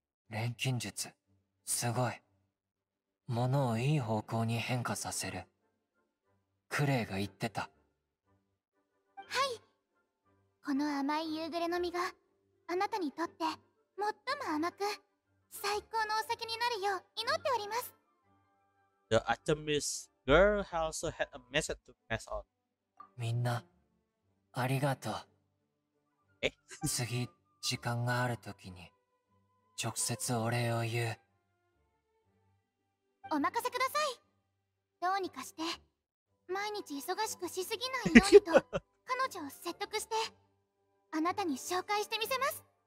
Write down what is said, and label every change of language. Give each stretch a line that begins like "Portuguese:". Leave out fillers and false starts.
Japanese: 錬金術、すごい。ものをいい方向に変化させる。クレイが言ってた。はい。この甘い夕暮れの実があなたにとって最も甘く最高のお酒になるよう祈っております。
English: The Artemis girl also had a message to pass on.
Japanese: みんなありがとう。え、次時間があるときに直接お礼を言う。お任せください。どうにかして毎日忙しくしすぎないようにと彼女を説得してあなたに紹介してみせます。